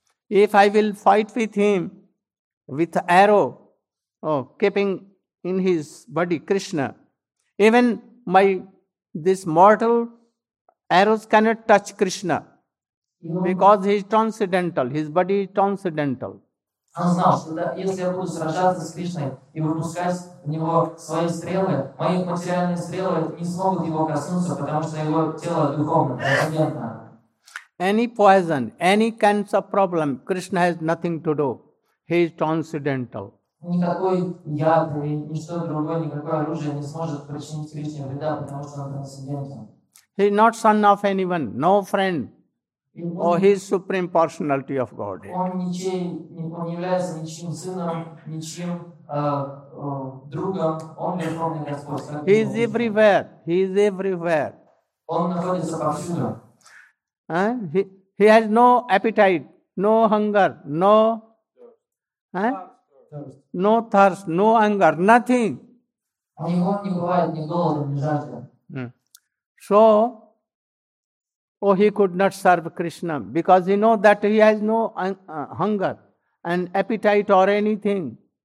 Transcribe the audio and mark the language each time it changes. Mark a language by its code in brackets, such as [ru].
[en] If I will fight with him with arrow, oh, keeping in his body Krishna, even my this mortal arrows cannot touch Krishna because he is transcendental, his body is transcendental. [ru] Он знал, что да, если я буду сражаться с Кришной и выпускать в него свои стрелы, мои материальные стрелы не смогут его коснуться, потому что его тело духовное, трансцендентное. [en] Any poison, any kinds of problem, Krishna has nothing to do. He is transcendental. [ru] Никакой яд или ничто другое, никакое оружие не сможет причинить Кришне вреда, потому что он трансцендентен. [en] He is not son of anyone, no friend. Oh, he is Supreme Personality of Godhead. [ru] Он является ничьим сыном, ничьим другом. Он Верховный Господь. [en] He is everywhere. He is everywhere. [ru] Он находится повсюду. [en] He has no appetite, no hunger, no no thirst, no anger, nothing. [ru] У него не бывает ни голода, ни жажды. [en] So, oh, he could not serve Krishna because he know that he has no hunger and appetite or anything.